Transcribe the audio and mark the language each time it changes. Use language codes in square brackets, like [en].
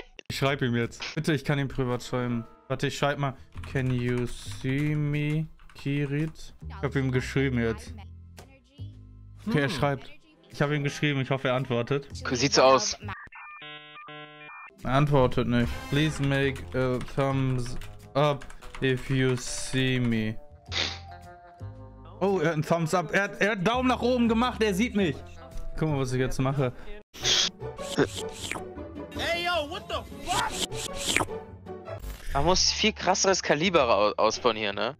[de] Ich schreib ihm jetzt. Bitte, ich kann ihn privat schreiben. Warte, ich schreib mal. [en] Can you see me, [de] Kirit? Ich hab ihm geschrieben jetzt. Okay, er schreibt. Ich hab ihm geschrieben, ich hoffe, er antwortet. Sieht so aus. Er antwortet nicht. [en] Please make a thumbs up if you see me. [de] Oh, er hat einen Thumbs up. Er hat Daumen nach oben gemacht, er sieht mich. Guck mal, was ich jetzt mache. Man muss viel krasseres Kaliber ausbauen hier, ne?